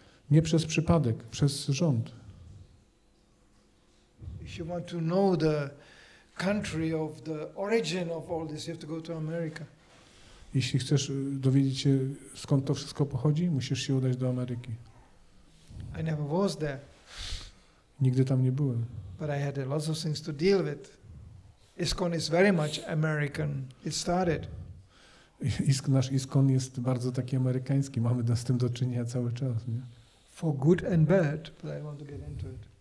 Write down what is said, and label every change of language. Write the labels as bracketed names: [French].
[Polish] Nie przez przypadek, przez rząd. [English] If you want to know the country of the origin of all this, you have to go to America. [Polish] Jeśli chcesz dowiedzieć się, skąd to wszystko pochodzi, musisz się udać do Ameryki. [English] I never was there. [Polish] Nigdy tam nie byłem. [English] But I had a lot of things to deal with. ISKCON is very much American. It started. [Polish] Nasz ISKCON jest bardzo taki amerykański. Mamy z tym do czynienia cały czas. Nie? [English] For good and bad, but I want to get into it.